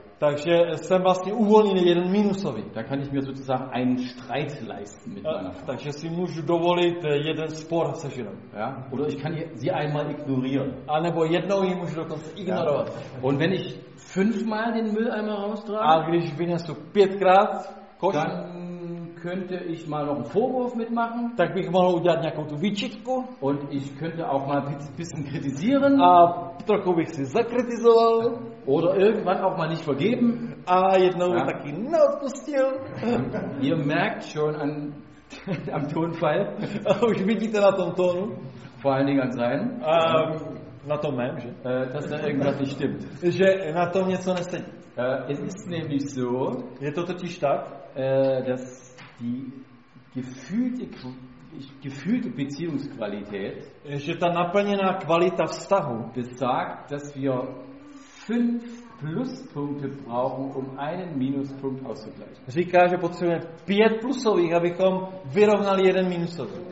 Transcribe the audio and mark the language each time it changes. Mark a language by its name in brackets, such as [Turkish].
[Czech] Takže jsem vlastně uvolněný jeden minusový. [German] Da kann ich mir sozusagen einen Streit leisten mit meiner Frau. [Czech] Takže si můžu dovolit jeden spor se ženou. [German] Ja? Oder ich kann sie einmal ignorieren. [Czech] A nebo jednou ji můžu dokonce ignorovat. [German] Ja. Und wenn ich fünfmal den Mülleimer raustrage, [Czech] a když vynesu pětkrát koš, [German] dann könnte ich mal noch einen Vorwurf mitmachen. [Czech] Tak bych mohl udělat nějakou tu výčitku. [German] Und ich könnte auch mal ein bisschen kritisieren. [Czech] A trochu bych si zakritizoval. [German] Oder irgendwann auch mal nicht vergeben. [Czech] A jednou ja. Taky neodpustil. [German] Ihr merkt schon am Tonfall. [Czech] Už vidíte na tom tónu. [German] Vor allen Dingen an seinen. [Czech] Na tom mém, že? [German] Dass da irgendwas nicht stimmt. [Czech] Že na tom něco nesedí. [German] Es ist nämlich so. [Czech] Je to totiž tak. [German] Dass die gefühlte gefühlte Beziehungsqualität, [Czech] že ta naplněná kvalita vztahu, [German] besagt, dass wir 5 Pluspunkte brauchen, um einen Minuspunkt auszugleichen. [Czech] Říká, že potřebujeme 5 plusových, abychom vyrovnali jeden minusový.